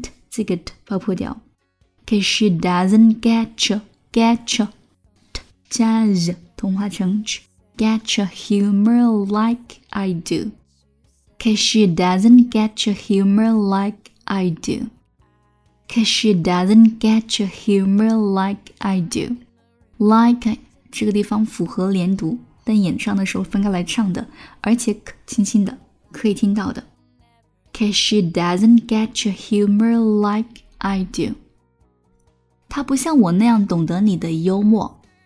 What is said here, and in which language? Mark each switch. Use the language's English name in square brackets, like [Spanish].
[Chinese] 这个 t 爆破掉 [English] Cause she doesn't get your t [Chinese] 加 z 同化成 [English] ch get your humor like I do Cause she doesn't get your humor like I doCause she doesn't get your humor like I do. [Chinese] Like, 这个地方符合连读，但演唱的时候分开来唱的，而且 k 轻轻的，可以听到的。 [English] Cause she doesn't get your humor like I do. [Chinese] 她不像我那样懂得你的幽默。